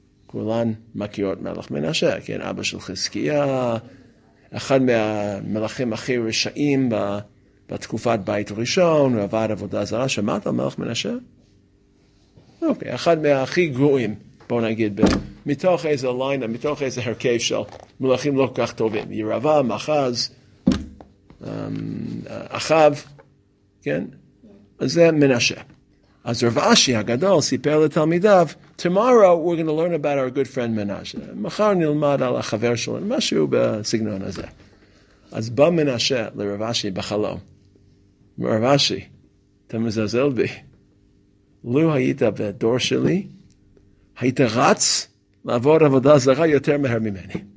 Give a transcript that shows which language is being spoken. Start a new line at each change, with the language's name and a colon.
Hebrew: כולן מכירות מלך מנשה, כן, אבא של חזקיה, אחד מהמלכים הכי רשעים בתקופת בית ראשון, הוא עבד עבודה זרה, שמעת על מלך מנשה? אוקיי, אחד מהכי גרועים, בוא נגיד, מתוך איזה ליינה, מתוך איזה הרכב של מלכים לא כל כך טובים, ירבה, מחז, אחיו, כן? אז זה מנשה. אז רב אשי הגדול סיפר לתלמידיו,
English: tomorrow we're going to learn about our good friend מנשה.
Hebrew: מחר נלמד על החבר שלו, משהו בסגנון הזה. אז בא מנשה לרב אשי בחלום. רב אשי, אתה מזלזל בי. לו היית בדור שלי, היית רץ לעבוד עבודה זרה יותר מהר ממני.